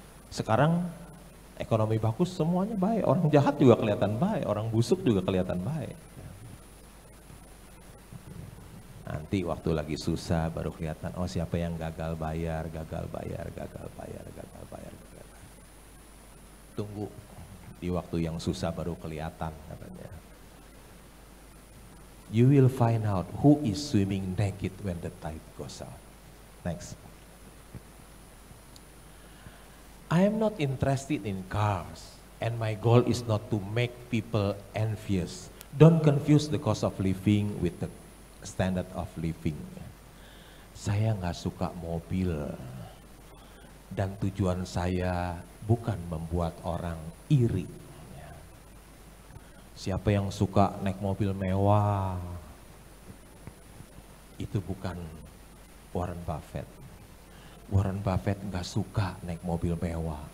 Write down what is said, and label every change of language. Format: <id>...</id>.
<id>Sekarang ekonomi bagus, semuanya baik. Orang jahat juga kelihatan baik, orang busuk juga kelihatan baik. Nanti waktu lagi susah baru kelihatan, oh siapa yang gagal bayar, gagal bayar, gagal bayar, gagal bayar, gagal bayar. Tunggu di waktu yang susah baru kelihatan katanya.</id> <en>You will find out who is swimming naked when the tide goes out. Next. I am not interested in cars and my goal is not to make people envious. Don't confuse the cost of living with the standard of living.</en> <id>Saya enggak suka mobil dan tujuan saya bukan membuat orang iri. Siapa yang suka naik mobil mewah? Itu bukan Warren Buffett. Warren Buffett enggak suka naik mobil mewah.</id>